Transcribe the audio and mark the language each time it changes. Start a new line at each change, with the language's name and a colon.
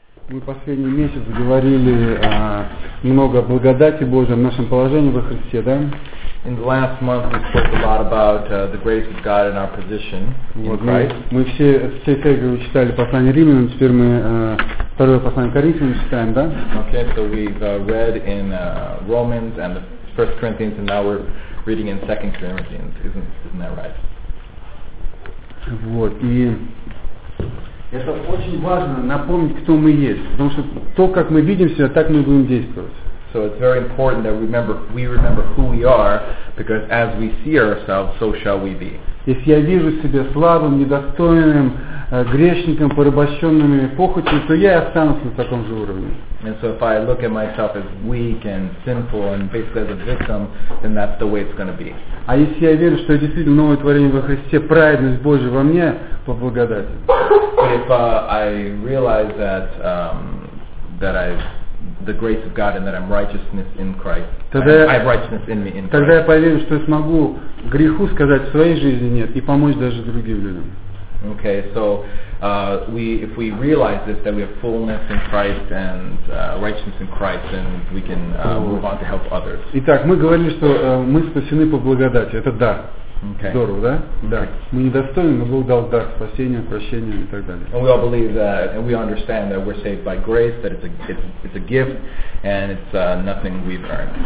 Russian: Мы последний месяц говорили много о благодати Божьей, о нашем положении во Христе, да?
English: In the last month we spoke a lot about the grace of God and our position in Christ.
Russian: Мы все церковью читали послание Римлянам, теперь мы второе послание Коринфянам читаем, да?
English: Okay, so we've read in Romans and the First Corinthians, and now we're reading in Second Corinthians. Isn't that right?
Russian: Вот, и это очень важно напомнить, кто мы есть, потому что то, как мы видим себя, так мы будем действовать.
English: So it's very important that we remember who we are, because as we see ourselves, so shall we be.
Russian: Если я вижу себя слабым, недостойным, грешником, порабощенными похотью, то я и останусь на таком же уровне.
English: And so if I look at myself as weak and sinful and basically as a victim, then that's the way it's going to be.
Russian: А если я верю, что я действительно новое творение во Христе, праведность Божия во мне по благодати.
English: But if I realize that that I the grace of God and that I'm righteousness in Christ. I have righteousness in me in Christ.
Russian: Тогда я поверю, что я смогу греху сказать в своей жизни нет и помочь даже другим людям.
English: Okay, so if we realize this, that we have fullness in Christ and righteousness in Christ, then we can move on to help others.
Russian: Итак, мы говорили, что мы спасены по благодати. Это дар.
English: Okay.
Russian: Здорово, да?
English: Okay.
Russian: Да. Мы недостойны, но Бог дал дар спасения, прощения и так далее.
English: And we all believe that, and we understand that we're saved by grace, that it's a gift, and it's nothing we've earned.